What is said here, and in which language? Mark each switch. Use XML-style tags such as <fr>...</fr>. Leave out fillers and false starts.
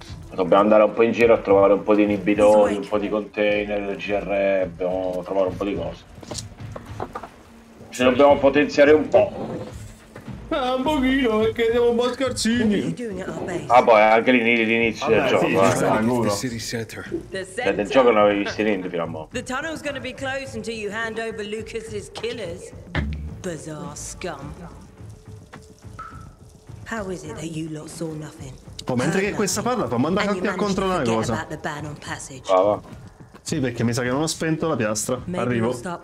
<it>Dobbiamo andare un po' in giro a trovare un po' di inibitori, un po' di container, GR, dobbiamo trovare un po' di cose. Ci dobbiamo potenziare un po'. Un pochino, perché siamo un po' scarsini. Ah, poi anche l'inizio del gioco. Del gioco non avevi visto niente fino a mo'.</it> <en>The tunnel's gonna be closed until you hand over Lucas's killers. Bizarre scum. How is it that you lot saw nothing?</en> <it>Oh, mentre che questa parla, fa mandare anche a controllare cosa. Brava. Sì, perché mi sa che non ho spento la piastra. Arrivo.</it>